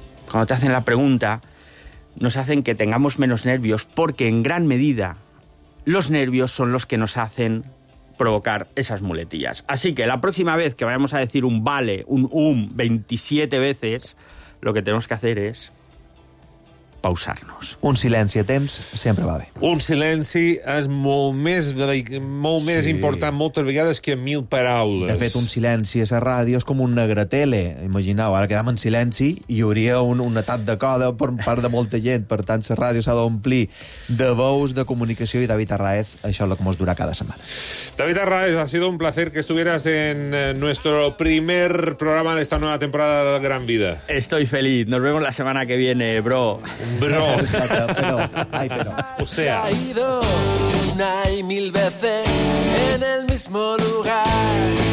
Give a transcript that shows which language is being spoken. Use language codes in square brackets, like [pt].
[es] Cuando te hacen la pregunta, nos hacen que tengamos menos nervios, porque en gran medida los nervios son los que nos hacen provocar esas muletillas. Así que la próxima vez que vayamos a decir un vale, un 27 veces, lo que tenemos que hacer es pausar-nos. [ca] Un silenci a temps sempre va bé. Un silenci és molt més important moltes vegades que mil paraules. De fet, un silenci a la ràdio és com una gratele. Imagineu, ara quedam en silenci i hi hauria un atac de coda per part de molta gent. Per tant, la ràdio s'ha d'omplir de veus de comunicació i David Arraez, això és el que mos durà cada setmana. [es] David Arraez, ha sido un placer que estuvieras en nuestro primer programa de esta nueva temporada de Gran Vida. Estoy feliz. Nos vemos la semana que viene, bro. Bro. Exacto, pero. Ay, pero. O sea. una y mil veces en el mismo lugar.